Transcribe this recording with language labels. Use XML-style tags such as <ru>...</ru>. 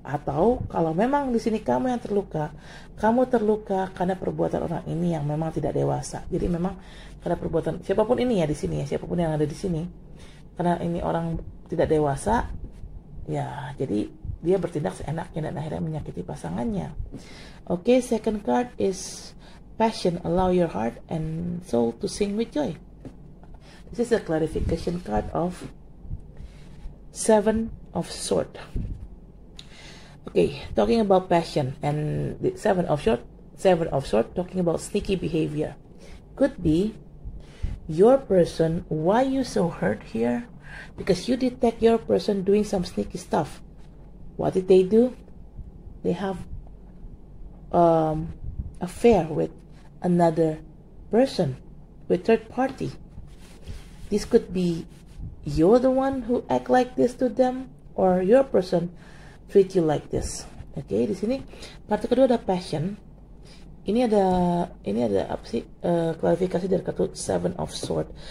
<id>Atau kalau memang di sini kamu yang terluka, kamu terluka karena perbuatan orang ini yang memang tidak dewasa. Jadi memang karena perbuatan siapapun ini ya di sini ya, siapapun yang ada di sini, karena ini orang tidak dewasa ya, jadi dia bertindak seenaknya dan akhirnya menyakiti pasangannya.</id> <en>Okay, second card is passion. Allow your heart and soul to sing with joy. This is a clarification card of Seven of Swords. Okay, talking about passion and the Seven of Swords, talking about sneaky behavior. Could be your person, why you so hurt here? Because you detect your person doing some sneaky stuff. What did they do? They have affair with another person, with third party. This could be you're the one who act like this to them, or your person treat you like this.</en> <id>Okay, di sini kartu kedua ada passion. Ini ada apa sih klarifikasi dari kartu Seven of Swords.</id>